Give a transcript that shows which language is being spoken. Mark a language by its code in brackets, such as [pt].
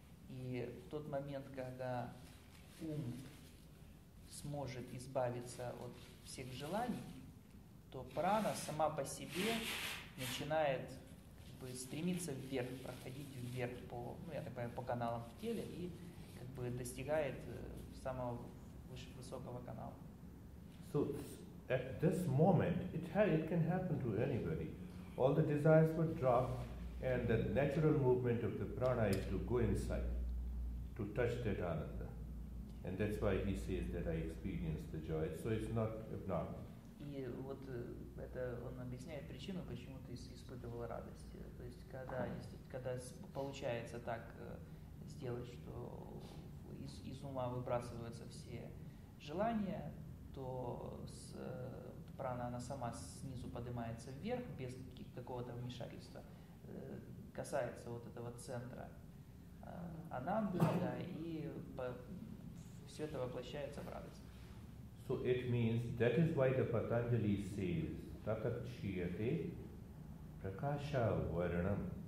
[ru] И в тот момент, когда ум сможет избавиться от всех желаний, то прана сама по себе начинает как бы стремиться вверх, проходить вверх по, ну, я так понимаю, по каналам в теле и как бы достигает самого высокого канала. [en] So at this moment, it can happen to anybody. All the desires were dropped, and the natural movement of the prana is to go inside, to touch that ananda. And that's why he says that I experience the joy. So it's not abnormal. [ru] И вот это он объясняет причину, почему ты испытывал радость. То есть когда получается так сделать, что из ума выбрасываются все желания, то прана она сама снизу поднимается вверх без какого-то вмешательства, касается вот этого центра ананды, да, и все это воплощается в радость. [en] So it means that is why the Patanjali says [sa] tatat chiyate prakasha varanam.